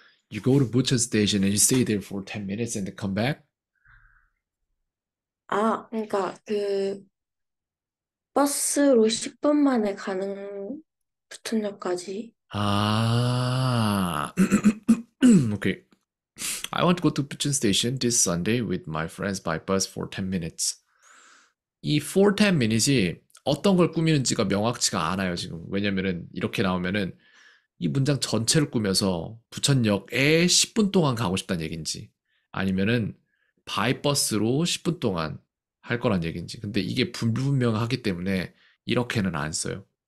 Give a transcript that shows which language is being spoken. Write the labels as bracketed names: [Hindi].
[English] You go to Busan station and you stay there for 10 minutes and then come back? [Korean] 아, 그러니까 그 버스로 10분 만에 가는 부천역까지. [English] Okay. I want to go to Busan station this Sunday with my friends by bus for 10 minutes. [Korean] 이 [English] for 10 minutes [Korean] 이 어떤 걸 꾸미는지가 명확치가 않아요, 지금. 왜냐면은 이렇게 나오면은 이 문장 전체를 꾸며서 부천역에 10분 동안 가고 싶다는 얘긴지 아니면은 by 버스로 10분 동안 할 거란 얘긴지. 근데 이게 불분명하기 때문에 이렇게는 안 써요.